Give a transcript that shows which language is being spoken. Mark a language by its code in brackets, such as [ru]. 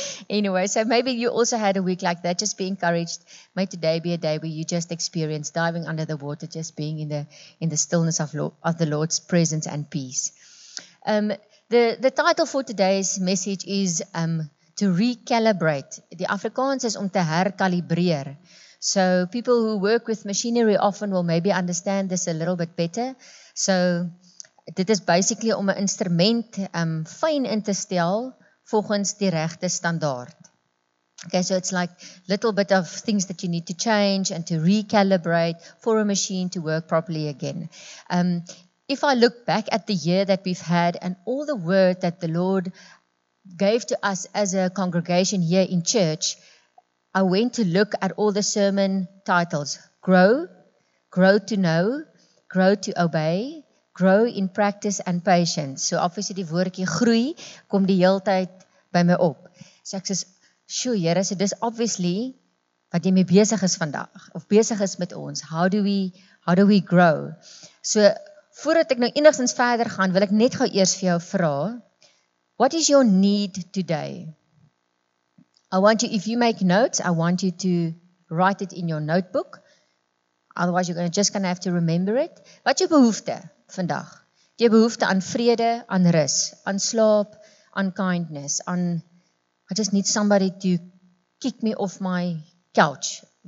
[en] Anyway, so maybe you also had a week like that, just be encouraged. May today be a day where you just experience diving under the water, just being in the stillness of the Lord's presence and peace. The title for today's message is to recalibrate. [af] Die Afrikaans is om te herkalibreer. [en] So people who work with machinery often will maybe understand this a little bit better. [af] So dit is basically om 'n instrument fyn in te stel volgens die regte standaard. [en] Okay, so it's like little bit of things that you need to change and to recalibrate for a machine to work properly again. If I look back at the year that we've had and all the word that the Lord gave to us as a congregation here in church, I went to look at all the sermon titles, Grow, Grow to Know, Grow to Obey, Grow in Practice and Patience. [af] So obviously die woordjie groei kom die hele tyd by my op. So ek sê, sjoe Here, so dis obviously wat jy mee besig is vandag, of besig is met ons. [en] How do we grow? [af] So voordat ek nou enigstens verder gaan, wil ek net gou eers vir jou vra, [en] what is your need today? I want you, if you make notes, I want you to write it in your notebook. Otherwise, you're just going to have to remember it. [af] Wat jou behoefte vandag? Jou behoefte aan vrede, aan rus, aan slaap, aan kindness, aan, [en] I just need somebody to kick me off my couch.